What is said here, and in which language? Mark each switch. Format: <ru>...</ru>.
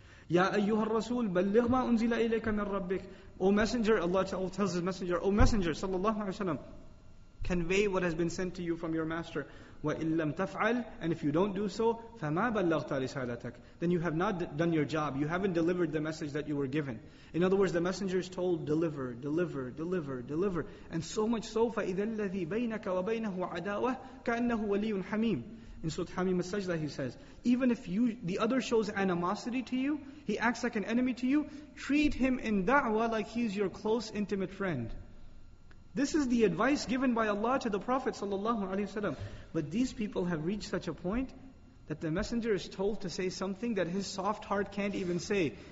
<ar>يَا أَيُّهَا الرَّسُولُ بَلِّغْ مَا أُنزِلَ إِلَيْكَ مِنْ رَبِّكَ.</ar> <en>O Messenger, Allah tells his messenger, O Messenger, sallallahu alayhi wa sallam, convey what has been sent to you from your master.</en> <ar>وَإِن لَمْ تَفْعَلْ.</ar> <en>And if you don't do so,</en> <ar>فَمَا بَلَّغْتَ رِسَالَتَكَ.</ar> <en>Then you have not done your job. You haven't delivered the message that you were given. In other words, the messenger is told, deliver, deliver, deliver, deliver. And so much so,</en> <ar>فَإِذَا الَّذِي بَيْنَكَ وَبَيْنَهُ عَدَاوَةً كَأَنَّهُ وَلِيٌّ حَمِيمٌ.</ar> <en>In Surah Hamim al-Sajda, he says, even if you, the other shows animosity to you, he acts like an enemy to you, treat him in da'wah like he's your close, intimate friend. This is the advice given by Allah to the Prophet ﷺ. But these people have reached such a point that the messenger is told to say something that his soft heart can't even say.</en>